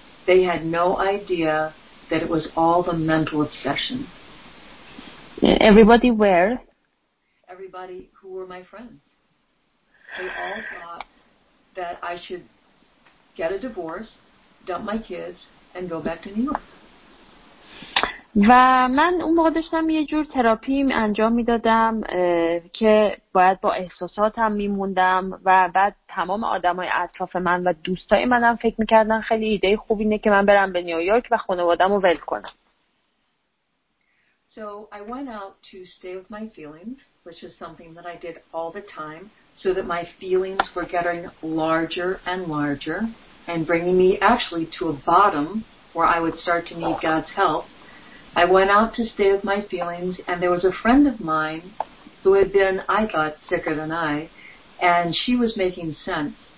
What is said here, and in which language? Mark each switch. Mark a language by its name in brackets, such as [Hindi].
[English] They had no idea that it was all the mental obsession. Everybody where? Everybody who were my friends. They all thought that I should get a divorce, dump my kids, and go back to New York. [Persian] و من اون موقع داشتم یه جور تراپی انجام میدادم که باید با احساساتم میموندم و بعد تمام آدمای اطراف من و دوستای منم فکر میکردن خیلی ایده خوبی اینه که من برم به نیویورک و خانوادم رو ول کنم. [English] So I went out to stay with my feelings, which is something that I did all the time, so that my feelings were getting larger and larger and bringing me actually to a bottom where I would start to need God's help. I went out to stay with my feelings, and there was a friend of mine who had been, I thought, sicker than I, and she was making sense.